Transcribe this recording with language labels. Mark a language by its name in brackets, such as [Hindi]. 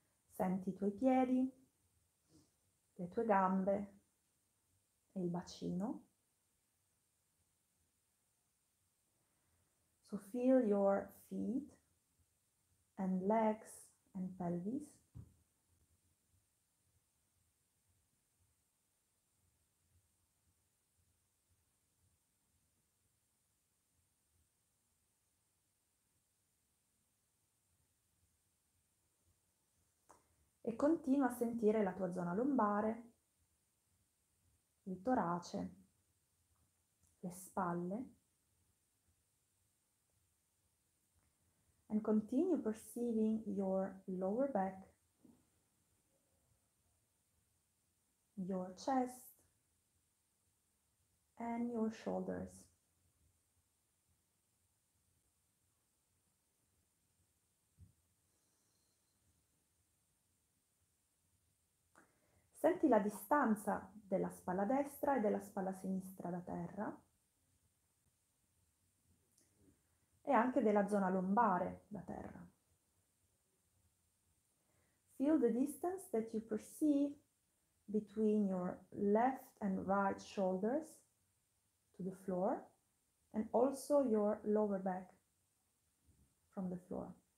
[Italian] Senti i tuoi piedi, le tue gambe. Il bacino. [English] So feel your feet and legs and pelvis. [Italian] E continua a sentire la tua zona lombare. Il torace, le spalle, [English] and continue perceiving your lower back, your chest, and your shoulders. [Italian] Senti la distanza della spalla destra e della spalla sinistra da terra e anche della zona lombare da terra. [English] Feel the distance that you perceive between your left and right shoulders to the floor and also your lower back from the floor.